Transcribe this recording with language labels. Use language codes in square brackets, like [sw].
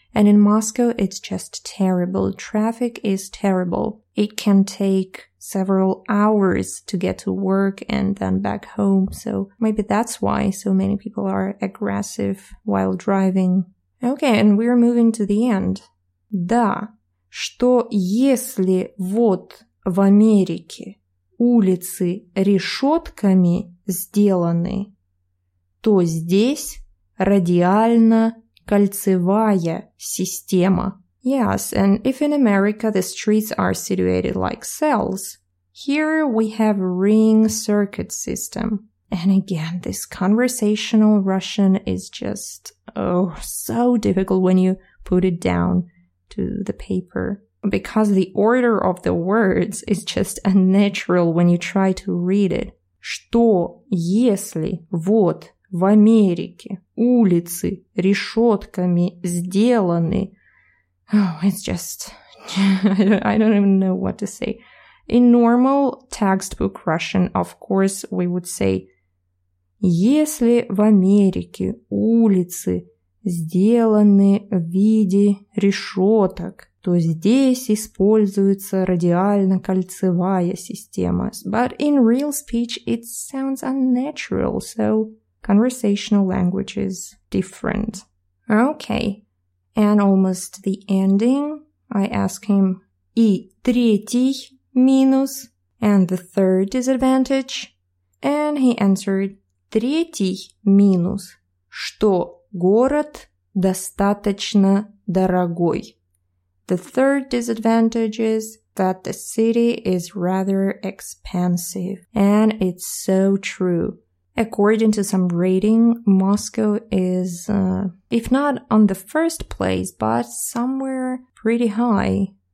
[en] And in Moscow, it's just terrible. Traffic is terrible. It can take several hours to get to work and then back home. So maybe that's why so many people are aggressive while driving. Okay, and we're moving to the end. [ru] Да, что если вот в Америке улицы решетками сделаны, то здесь радиально-кольцевая система. [en] Yes, and if in America the streets are situated like cells, here we have ring circuit system. And again, this conversational Russian is just, oh, so difficult when you put it down to the paper. Because the order of the words is just unnatural when you try to read it. [ru] Что если вот в Америке улицы решетками сделаны? [en] Oh, it's just... I don't even know what to say. In normal textbook Russian, of course, we would say... [ru] Если в Америке улицы сделаны в виде решеток, то здесь используется радиально-кольцевая система. [en] But in real speech, it sounds unnatural, so... Conversational language is different. Okay, and almost the ending, I ask him, [ru] и третий минус, [en] and the third disadvantage, and he answered, [ru] третий минус, что город достаточно дорогой. [en] The third disadvantage is that the city is rather expensive, and it's so true. According to some rating, Moscow is, if not on the first place, but somewhere pretty high.